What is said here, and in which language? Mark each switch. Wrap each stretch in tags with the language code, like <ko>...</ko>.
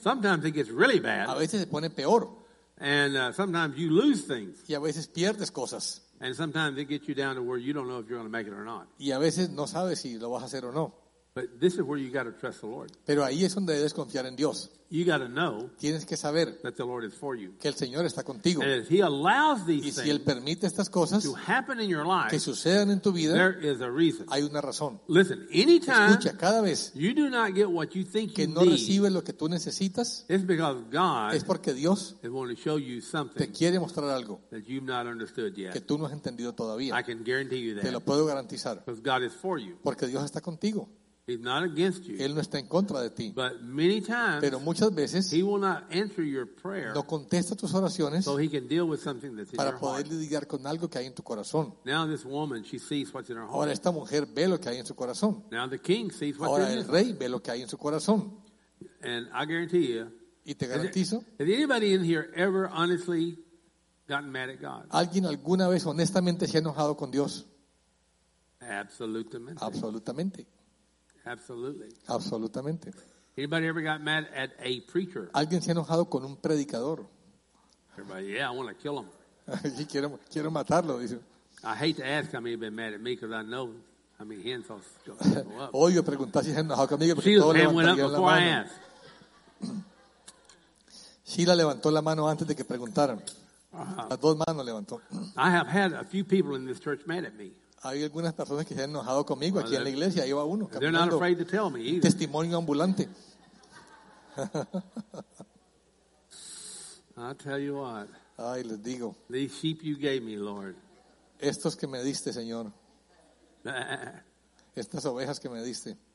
<en>Sometimes it gets really bad.</en> <es>A veces se pone peor.</es> <en>And sometimes you lose things.</en> <es>Y a veces pierdes cosas.</es> <en>And sometimes it gets you down to where you don't know if you're going to make it or not.</en> <es>Y a veces no sabes si lo vas a hacer o no.</es> <en>But this is where you got to trust the Lord.</en> <es>Pero ahí es donde debes confiar en Dios.</es> <en>You got to know.</en> <es>Tienes que saber</es> <en>that the Lord is for you.</en> <es>Que el Señor está contigo.</es> <en>And if He allows these things,</en> <es>y si él permite estas cosas,</es> <en>to happen in your life,</en> <es>que sucedan en tu vida,</es> <en>there is a reason.</en> <es>Hay una razón.</es> <en>Listen, anytime,</en> <es>escucha, cada vez,</es> <en>you do not get what you think</en> <es>que</es> <en>you</en> <es>no</es> <en>need,</en> <es>recibes lo que tú necesitas,</es> <en>it's because God,</en> <es>es porque Dios,</es> <en>is wanting to show you something,</en> <es>te quiere mostrar algo,</es> <en>that you've not understood yet,</en> <es>que tú no has entendido todavía.</es> <en>I can guarantee you that.</en> <es>Te lo puedo garantizar.</es> <en>Because God is for you.</en> <es>Porque Dios está contigo.</es> <en>He's not against you.</en> <es>Él no está en contra de ti.</es> <en>But many times,</en> <es>pero muchas veces,</es> <en>he will not answer your prayer.</en> <es>No contesta tus oraciones.</es> <en>So he can deal with something that's in your heart.</en> <es>Para poder lidiar con algo que hay en tu corazón.</es> <en>Now this woman, she sees what's in her heart.</en> <es>Ahora esta mujer ve lo que hay en su corazón.</es> <en>Now the king sees what's in his heart.</en> <es>Ahora el rey ve lo que hay en su corazón.</es> <en>And I guarantee you.</en> <es>Y te garantizo.</es> <en>Has anybody in here ever honestly gotten mad at God?</en> <es>¿Alguien alguna vez honestamente se ha enojado con Dios? Absolutamente. Absolutamente.</es> <en>Absolutely.</en> <es>Absolutamente.</es> <en>Anybody ever got mad at a preacher?</en> <es>¿Alguien se ha enojado con un predicador?</es> <en>Everybody, yeah, I want to kill him.</en> <es>quiero matarlo, dice.</es> <en>I hate to ask how many have been mad at me because I know how many hands I'll go up.</en> <es>Odio preguntar si se ha enojado conmigo porque todos levantarían la mano. Sheila levantó la mano antes de que preguntaran. Las dos manos levantó.</es> <en>I have had a few people in this church mad at me.</en> <es>Hay algunas personas que se han enojado conmigo aquí en la iglesia. Ahí va uno caminando.</es> <en>They're not afraid to tell me either.</en> <es>Testimonio ambulante.</es> <en>I'll tell you what.</en> <es>Ay, les digo.</es> <en>These sheep you gave me, Lord.</en> <es>Estos que me diste, Señor. Estas ovejas que me diste.</es>